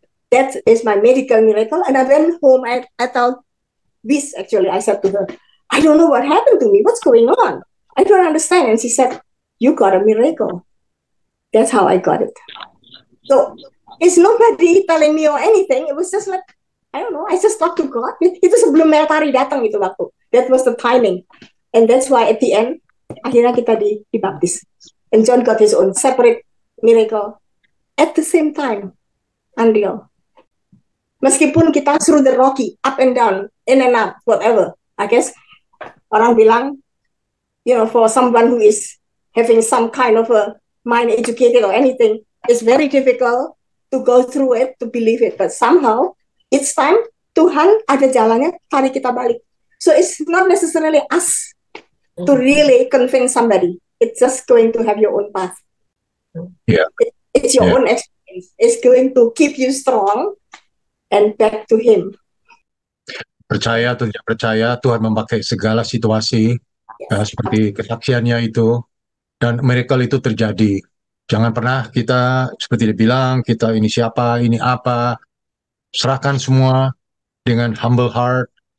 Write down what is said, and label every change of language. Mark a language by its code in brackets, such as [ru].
[en] That is my medical miracle. And I went home and I told this, actually, I said to her, I don't know what happened to me. What's going on? I don't understand. And she said, you got a miracle. That's how I got it. So it's nobody telling me or anything. It was just like, I don't know, I just talked to God. [id] Itu sebelum Meltari datang itu waktu. [en] That was the timing. And that's why at the end, [id] akhirnya kita dibaptis. [en] And John got his own separate miracle at the same time. Unreal. [id] Meskipun kita [en] through the rocky, up and down, in and out, whatever. I guess [id] orang bilang, [en] you know, for someone who is having some kind of a mind educated or anything, it's very difficult to go through it, to believe it. But somehow, it's time, [id] Tuhan ada jalannya, tarik kita balik. [en] So it's not necessarily us to really convince somebody. It's just going to have your own path. Yeah. It's your own experience. It's going to keep you strong and back to Him. [id] Percaya atau tidak percaya, Tuhan memakai segala situasi, yes. Seperti kesaksiannya itu, dan miracle itu terjadi. Jangan pernah kita, seperti dibilang, kita ini siapa, ini apa, serahkan semua dengan [en] humble heart.